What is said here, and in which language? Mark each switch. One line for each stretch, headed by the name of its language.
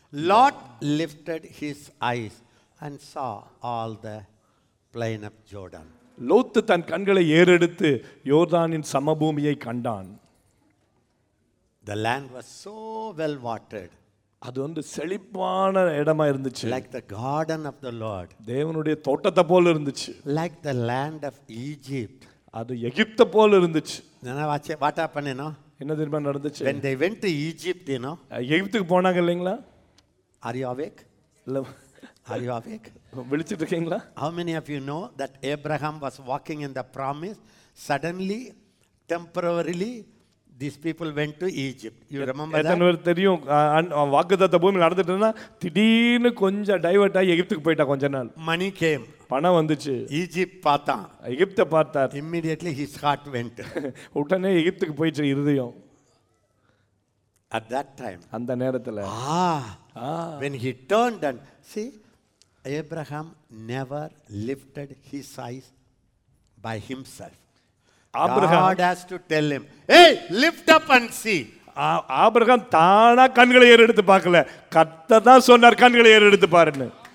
English: Lot lifted his eyes and saw all the plain of Jordan.
Tamil: லோத்து தன் கண்களை ஏறெடுத்து யோர்தானின் சமபூமியை கண்டான்.
English: The land was so well watered.
Tamil: அது வந்து செழிப்பான இடமா இருந்துச்சு.
English: Like the garden of the Lord.
Tamil: தேவனுடைய தோட்டத்தை போல இருந்துச்சு.
English: Like the land of Egypt.
Tamil: அது எகிப்து போல இருந்துச்சு.
English: What happened, you know?
Tamil: என்ன திரும்ப நடந்துச்சு?
English: When they went to Egypt, you know?
Tamil: எகிப்துக்கு போனாங்க இல்லைங்களா?
English: Are you awake? Are you awake?
Tamil: விழிச்சிட்டு இருக்கீங்களா?
English: How many of you know that Abraham was walking in the promise, suddenly, temporarily, these people went to Egypt. You remember that?
Tamil: எத்தனை பேர் தெரியும் வாக்குத்தத்த பூமியில் நடந்துட்டுனா திடீர்னு கொஞ்சம் டைவர்ட் ஆகி எகிப்துக்கு போயிட்டா கொஞ்ச நாள்.
English: Money came.
Tamil: பணம் வந்துச்சு. ஈஜிப்ட் பார்த்தான். எகிப்தை பார்த்தார்.
English: Immediately his heart went.
Tamil: உடனே எகிப்துக்கு போயிடுச்சு இருதயம்.
English: At that time.
Tamil: அந்த நேரத்தில்.
English: When he turned and see, Abraham never lifted his eyes by himself. Abraham. God has to tell him, hey, lift up and see.
Tamil: Abraham தானா கண்களை ஏறெடுத்து பார்க்கல. கர்த்தர் தான் சொன்னார் கண்களை ஏறெடுத்து பாருன்னு.